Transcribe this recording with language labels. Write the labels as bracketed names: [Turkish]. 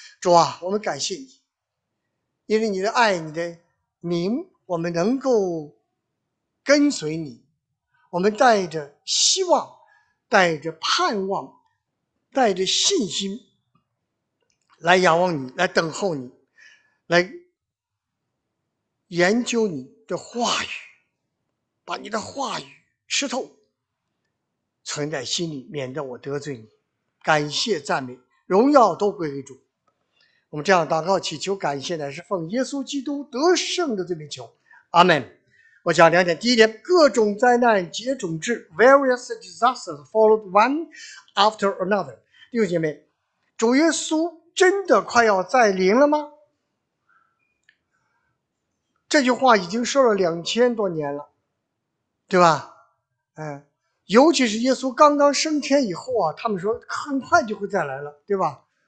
[Chinese] 主啊，我们感谢你，因为你的爱、你的名，我们能够跟随你，我们带着希望、带着盼望、带着信心来仰望你、来等候你、来研究你的话语，把你的话语吃透，存在心里，免得我得罪你。感谢赞美荣耀都归给主，我们这样祷告祈求感谢乃是奉耶稣基督得胜的罪名求，阿们。我讲两点。第一点，各种灾难接踵至 ， [English] various disasters followed one after another。 [Chinese] 弟兄姐妹，主耶稣真的快要再临了吗？这句话已经说了2000多年了，对吧？尤其是耶稣刚刚升天以后啊，他们说很快就会再来了，对吧？